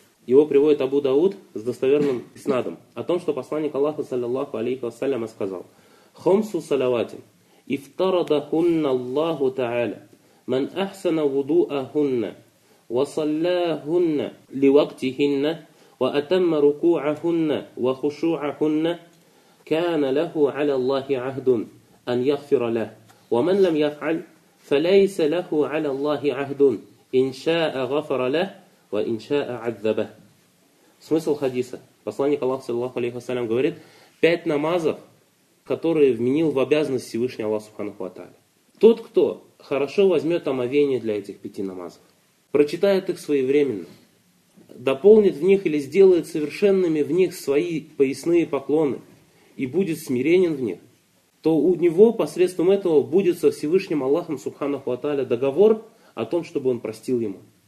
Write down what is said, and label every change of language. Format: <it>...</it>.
<ru>Его приводит Абу Дауд с достоверным иснадом о том, что посланник Аллаха, саллиллаху алейхи вассаляма, сказал</ru> <ar>«Хомсу салаватин, ифтарада хунна Аллаху та'аля, ман ахсана вуду ахунна». وصلاهن لوقتهن وأتم ركوعهن وخشوعهن كان له على الله عهد أن يغفر له، ومن لم يفعل فليس له على الله عهد، إن شاء غفر له وإن شاء عذبه.</ar> <ru>Смысл хадиса. Посланник Аллаха, саллаллаху алейхи ва саллям, говорит: пять намазов, которые вменил в обязанность Всевышний Аллах субханаху ва тааля. Тот, кто хорошо возьмет омовение для этих пяти намазов, прочитает их своевременно, дополнит в них или сделает совершенными в них свои поясные поклоны и будет смиренен в них, то у него посредством этого будет со Всевышним Аллахом субханаху ва тааля договор о том, чтобы он простил ему.</ru>